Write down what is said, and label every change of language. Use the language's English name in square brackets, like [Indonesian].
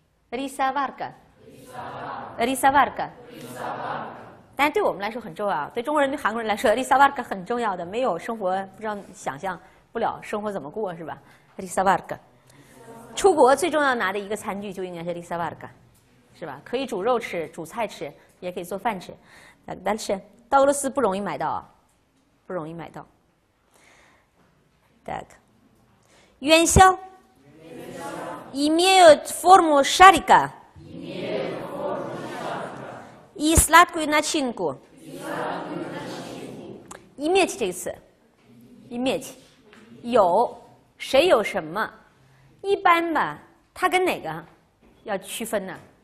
[Chinese] Рисоварка， 但对我们来说很重要，对中国人、对韩国人来说 Рисоварка 很重要的，没有生活不知道，想象不了生活怎么过，是吧？ Рисоварка 出国最重要拿的一个餐具就应该是 Рисоварка， 是吧？可以煮肉吃，煮菜吃，也可以做饭吃，但是到俄罗斯不容易买到，不容易买到。 [Russian] так， [Chinese] 元宵。 [Russian] Имеют форму шарика и сладкую начинку. [Chinese] Иметь 这个词， иметь 有，谁有什么？一般吧，它跟哪个要区分呢？